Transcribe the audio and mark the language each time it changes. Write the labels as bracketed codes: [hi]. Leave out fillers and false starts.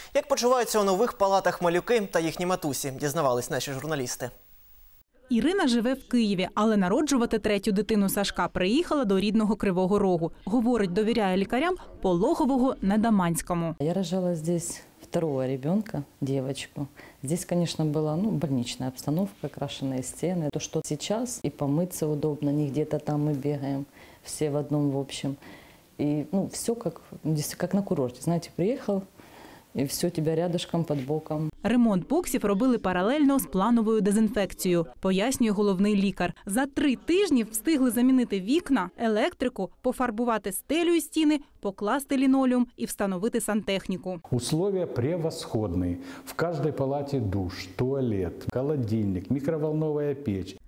[uk] Як почуваються у нових палатах малюки та їхні матусі, дізнавались наші журналісти. Ірина живе в Києві, але народжувати третю дитину Сашка приїхала до рідного Кривого Рогу. Говорить, довіряє лікарям пологового Недаманському. [ru] Я рожала тут другого дитину, дівчинку. Здесь, конечно, была ну, больничная обстановка, крашеные стены. То, что сейчас, и помыться удобно, не где-то там мы бегаем, все в одном в общем. И ну, все как на курорте. Знаете, приехал, и все тебя рядышком, под боком. [uk] Ремонт боксів робили паралельно з плановою дезінфекцією, пояснює головний лікар. За 3 тижні встигли замінити вікна, електрику, пофарбувати стелю і стіни, покласти лінолеум і встановити сантехніку. [ru] Условия превосходні. [uk] В кожній палаті душ, туалет, холодильник, мікроволновая печь.